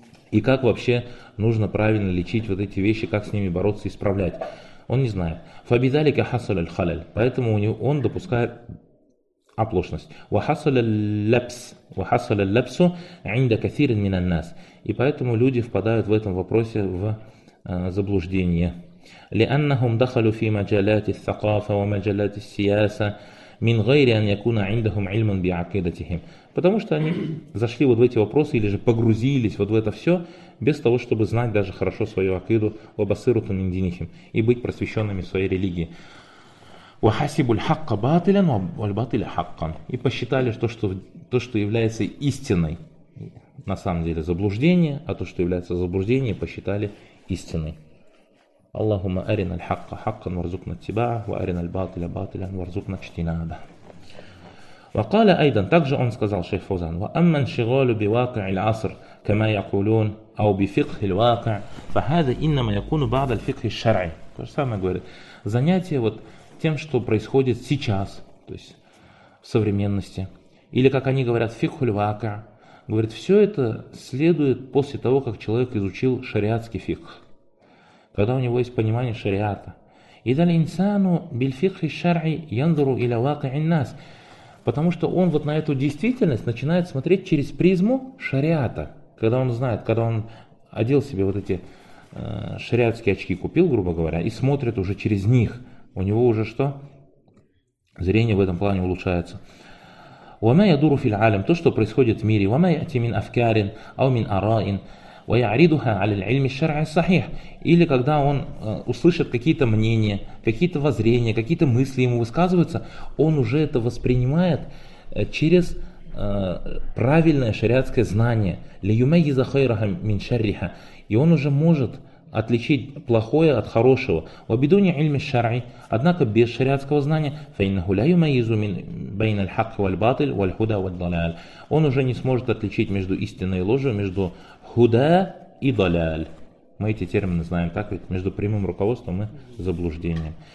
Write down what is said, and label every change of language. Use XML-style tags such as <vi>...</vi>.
<ru>И как вообще нужно правильно лечить вот эти вещи, как с ними бороться и исправлять. Он не знает.</ru> <ar>فَبِذَلِكَ حَصَلَ الْخَلَلِ.</ar> <ru>Поэтому он допускает оплошность.</ru> <ar>وَحَصَلَ اللَّبْسُ. وَحَصَلَ اللَّبْسُ عِنْدَ كَثِيرٍ مِنَ النَّاسِ.</ar> <ru>И поэтому люди впадают в этом вопросе в заблуждение.</ru> <ar>لأنهم دخلوا في مجالات الثقافة ومجالات السياسة من غير أن يكون عندهم علم بعقيدتهم.</ar> <ru>Потому что они зашли вот в эти вопросы или же погрузились вот в это все без того, чтобы знать даже хорошо свою акиду</ru> <ar>обасыруту мин динихим</ar> <ru>и быть просвещенными в своей религии.</ru> <ar>وحسبوا الحق باطلا والباطل حقا.</ar> <ru>И посчитали, что, то, что является истиной, на самом деле заблуждение, а то, что является заблуждением, посчитали истиной.</ru> <ar>Аллахумма арина الحق حقا وارزقنا اتباعه وارنا الباطل باطلا وارزقنا اجتنابه. وقال أيضا,</ar> <ru>также он сказал, шейх Фаузан,</ru> <ar>وأما انشغال بواقع العصر كما يقولون أو بفقه الواقع فهذا إنما يكون بعد الفقه الشرعي.</ar> <ru>То же самое говорит. Занятие вот тем, что происходит сейчас, то есть в современности, или как они говорят, фикхуль вака, говорит, все это следует после того, как человек изучил шариатский фикх, когда у него есть понимание шариата.</ru> <ar>Идал инсану биль фикхи шари яндуру иля вака иннас,</ar> <ru>потому что он вот на эту действительность начинает смотреть через призму шариата, когда он знает, когда он одел себе вот эти шариатские очки, купил, грубо говоря, и смотрит уже через них. У него уже что? Зрение в этом плане улучшается.</ru> <ar>وَمَا يَدُورُ فِي الْعَالَمِ,</ar> <ru>то, что происходит в мире.</ru> <ar>وَمَا يَأْتِ مِنْ أَفْكَارٍ أَوْ مِنْ أَرَائٍ وَيَعْرِضُهَا عَلَى الْعِلْمِ الشَّرْعِ الصَّحِيحِ.</ar> <ru>Или когда он услышит какие-то мнения, какие-то воззрения, какие-то мысли ему высказываются, он уже это воспринимает через правильное шариатское знание.</ru> <ar>لِيُمَيِّزَ خَيْرَهَا مِنْ شَرِّهَا.</ar> <ru>И он уже может отличить плохое от хорошего.</ru> <ar>وبدون علم الشرع,</ar> <ru>однако без шариатского знания,</ru> <ar>فإنه لا يميز بين الحق والباطل والهدى والضلال.</ar> <ru>Он уже не сможет отличить между истиной и ложью, между худа и далал. Мы эти термины знаем, так ведь, между прямым руководством и заблуждением.</ru>